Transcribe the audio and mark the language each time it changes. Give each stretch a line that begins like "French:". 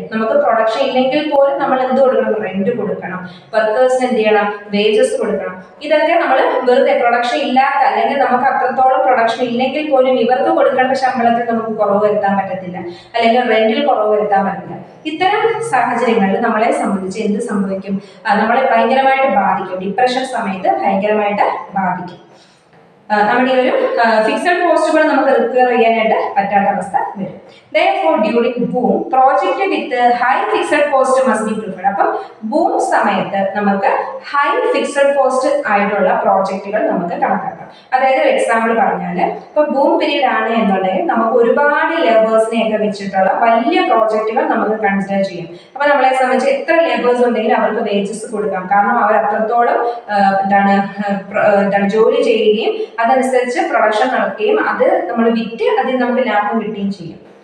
Malayalam: നമുക്ക് പ്രൊഡക്ഷൻ ഇല്ലെങ്കിൽ പോലും നമ്മൾ എന്ത് കൊടുക്കണം, റെന്റ് കൊടുക്കണം, വർക്കേഴ്സിന് എന്ത് ചെയ്യണം, വേജസ് കൊടുക്കണം, ഇതൊക്കെ നമ്മൾ വെറുതെ പ്രൊഡക്ഷൻ ഇല്ലാത്ത അല്ലെങ്കിൽ നമുക്ക് അത്രത്തോളം പ്രൊഡക്ഷൻ ഇല്ലെങ്കിൽ പോലും ഇവർക്ക് കൊടുക്കേണ്ട ശമ്പളത്തിൽ നമുക്ക് കുറവ് വരുത്താൻ പറ്റത്തില്ല, അല്ലെങ്കിൽ റെന്റിൽ കുറവ് വരുത്താൻ പറ്റില്ല. ഇത്തരം സാഹചര്യങ്ങളിൽ നമ്മളെ സംബന്ധിച്ച് എന്ത് സംഭവിക്കും, നമ്മളെ ഭയങ്കരമായിട്ട് ബാധിക്കും. ഡിപ്രഷൻ സമയത്ത് ഭയങ്കരമായിട്ട് ബാധിക്കും. നമ്മുടെ ഈ ഒരു ഫിക്സഡ് കോസ്റ്റുകൾ നമുക്ക് റിക്കവർ ചെയ്യാനായിട്ട് പറ്റാത്ത അവസ്ഥ വരും.
English: Therefore, during boom, project with high fixed cost must be preferred.
Malayalam: അപ്പം ബൂം സമയത്ത് നമുക്ക് ഹൈ ഫിക്സഡ് കോസ്റ്റ് ആയിട്ടുള്ള പ്രോജക്ടുകൾ നമുക്ക് കണക്കാക്കാം. അതായത് ഒരു എക്സാമ്പിൾ പറഞ്ഞാൽ, ഇപ്പൊ ബൂം പീരീഡ് ആണ് എന്നുണ്ടെങ്കിൽ നമുക്ക് ഒരുപാട് ലേബേഴ്സിനെയൊക്കെ വെച്ചിട്ടുള്ള വലിയ പ്രോജക്ടുകൾ നമുക്ക് കൺസിഡർ ചെയ്യാം. അപ്പൊ നമ്മളെ സംബന്ധിച്ച് എത്ര ലേബേഴ്സ് ഉണ്ടെങ്കിലും അവർക്ക് വേജസ് കൊടുക്കാം, കാരണം അവർ അത്രത്തോളം എന്താണ് ജോലി ചെയ്യുകയും അതനുസരിച്ച് പ്രൊഡക്ഷൻ നടക്കുകയും അത് നമ്മൾ വിറ്റ് അതിൽ നമുക്ക് ലാഭം കിട്ടുകയും ചെയ്യും.